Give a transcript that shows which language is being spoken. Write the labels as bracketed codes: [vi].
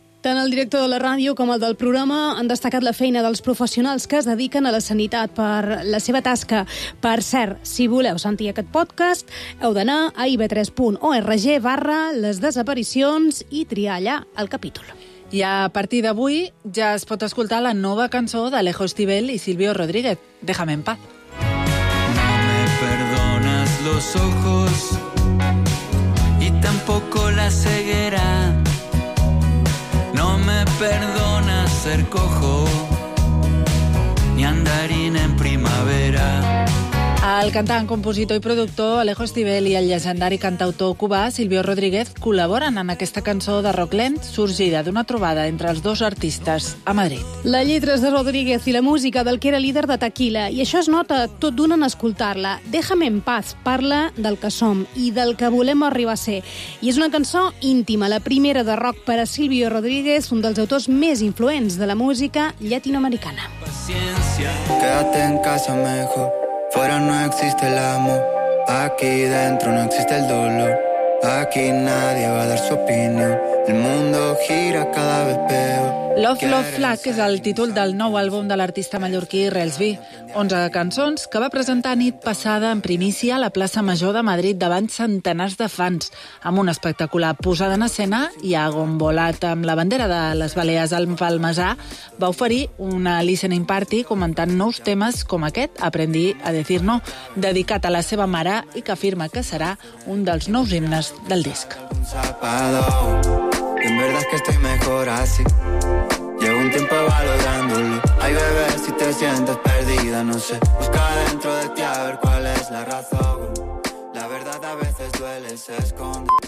[ca] Tant el director de la ràdio com el del programa han destacat la feina dels professionals que es dediquen a la sanitat per la seva tasca. Per cert, si voleu sentir aquest podcast, heu d'anar a ib3.org/lesdesaparicions i triar allà el capítol. I a partir d'avui ja es pot escoltar la nova cançó d'Alejo Estivel i Silvio Rodríguez, Déjame en paz. [es] No me perdonas los ojos y tampoco la ceguera. No me perdonas ser cojo ni andarín en primavera. A [ca] El cantant, compositor i productor Alejo Estivel i el llegendari cantautor cubà Silvio Rodríguez col·laboren en aquesta cançó de rock lent sorgida d'una trobada entre els dos artistes a Madrid. La lletra és de Rodríguez i la música del que era líder de Tequila, i això es nota tot d'una en escoltar-la. Déjame en paz parla del que som i del que volem arribar a ser. I és una cançó íntima, la primera de rock per a Silvio Rodríguez, un dels autors més influents de la música llatinoamericana. [es] Quédate en casa mejor. Fuera no existe el amor, aquí dentro no existe el dolor. Aquí nadie va a dar su opinión. El mundo gira cada vez peor. [ca] Love, Love, Flag és el títol del nou àlbum de l'artista mallorquí Rels B. 11 cançons que va presentar nit passada en primícia a la plaça Major de Madrid davant centenars de fans, amb una espectacular posada en escena i a gombolat amb la bandera de les Balears al Palmesar, va oferir una listening party comentant nous temes com aquest, Aprendí a decir no, dedicat a la seva mare i que afirma que serà un dels nous himnes del disc. [es] En verdad es que estoy mejor así. Llevo un tiempo valorándolo. Ay, bebé, si te sientes perdida, no sé. Busca dentro de ti a ver cuál es la razón. La verdad a veces duele, se esconde.